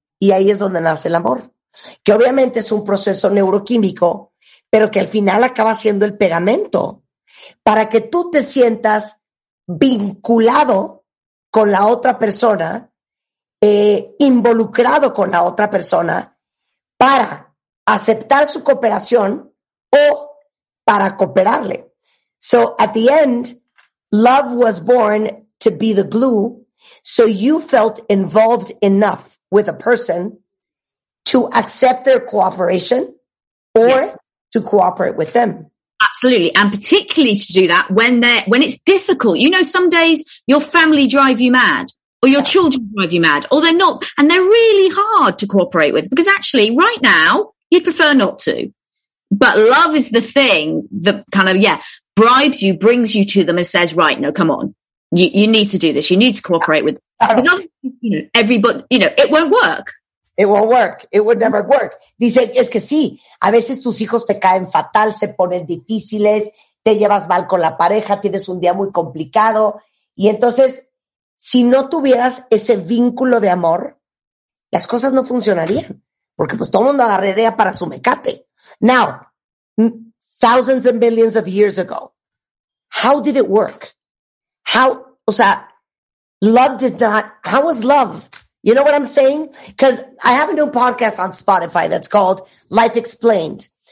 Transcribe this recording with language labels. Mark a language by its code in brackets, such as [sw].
[es] Y ahí es donde nace el amor, que obviamente es un proceso neuroquímico, pero que al final acaba siendo el pegamento para que tú te sientas vinculado con la otra persona, involucrado con la otra persona para aceptar su cooperación o para cooperarle. [en] So at the end, love was born to be the glue, so you felt involved enough with a person to accept their cooperation or to cooperate with them. Absolutely. And particularly to do that when it's difficult. You know, some days your family drive you mad, or your children drive you mad, or they're not, and they're really hard to cooperate with, because actually right now you'd prefer not to. But love is the thing that kind of, bribes you, brings you to them and says, right, no, come on. You need to do this. You need to cooperate with them. Because otherwise, everybody, it won't work. It won't work. It would never work. [es] Dice, es que sí, a veces tus hijos te caen fatal, se ponen difíciles, te llevas mal con la pareja, tienes un día muy complicado. Y entonces, si no tuvieras ese vínculo de amor, las cosas no funcionarían. Porque pues todo el mundo agarraría para su mecate. [en] Now, thousands and billions of years ago, how did it work? How was love? You know what I'm saying? Because I have a new podcast on Spotify that's called Life Explained.